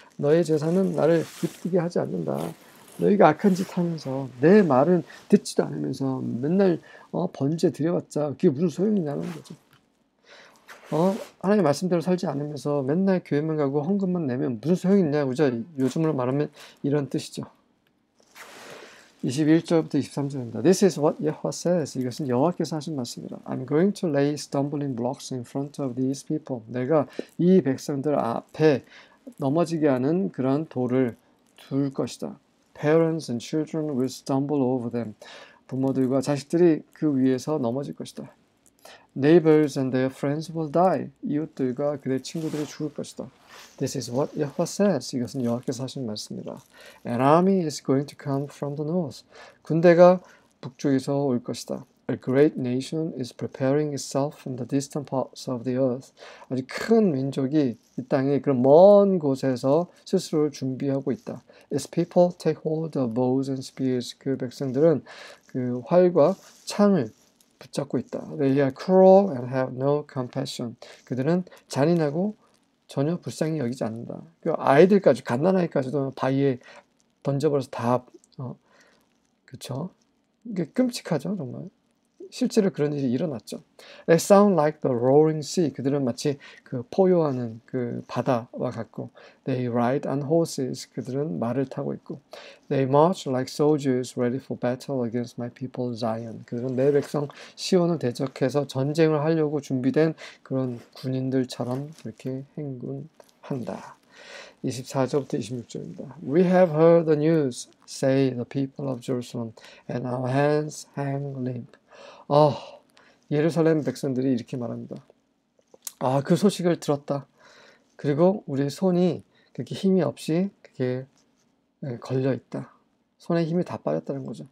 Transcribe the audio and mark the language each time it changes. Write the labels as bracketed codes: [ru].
[ko] 너의 제사는 나를 기쁘게 하지 않는다. 너희가 악한 짓 하면서 내 말은 듣지도 않으면서 맨날 번제 드려봤자 그게 무슨 소용이냐는 거죠. 하나님 말씀대로 살지 않으면서 맨날 교회만 가고 헌금만 내면 무슨 소용이 있냐, 그죠? 요즘으로 말하면 이런 뜻이죠. 21절부터 23절입니다. [en] This is what Yahweh says. [ko] 이것은 여호와께서 하신 말씀이라. [en] I'm going to lay stumbling blocks in front of these people. [ko] 내가 이 백성들 앞에 넘어지게 하는 그런 돌을 둘 것이다. [en] Parents and children will stumble over them. [ko] 부모들과 자식들이 그 위에서 넘어질 것이다. [en] Neighbors and their friends will die. [ko] 이웃들과 그들의 친구들이 죽을 것이다. [en] This is what Yahweh says. [ko] 이것은 여호와께서 하신 말씀이라. [en] An army is going to come from the north. [ko] 군대가 북쪽에서 올 것이다. [en] A great nation is preparing itself in the distant parts of the earth. [ko] 아주 큰 민족이 이 땅의 그런 먼 곳에서 스스로를 준비하고 있다. [en] Its people take hold of bows and spears. [ko] 그 백성들은 그 활과 창을 붙잡고 있다. [en] They are cruel and have no compassion. [ko] 그들은 잔인하고 전혀 불쌍히 여기지 않는다. 그 아이들까지, 갓난아이까지도 바위에 던져버려서 다, 그쵸? 이게 끔찍하죠, 정말. 실제로 그런 일이 일어났죠. [en] They sound like the roaring sea. [ko] 그들은 마치 그 포효하는 그 바다와 같고. [en] They ride on horses. [ko] 그들은 말을 타고 있고. [en] They march like soldiers ready for battle against my people Zion. [ko] 그들은 내 백성 시온을 대적해서 전쟁을 하려고 준비된 그런 군인들처럼 이렇게 행군한다. 24절부터 26절입니다. [en] We have heard the news, say the people of Jerusalem, and our hands hang limp. [ko] 예루살렘 백성들이 이렇게 말합니다. 아, 그 소식을 들었다. 그리고 우리 손이 그렇게 힘이 없이 그게 걸려 있다. 손에 힘이 다 빠졌다는 거죠.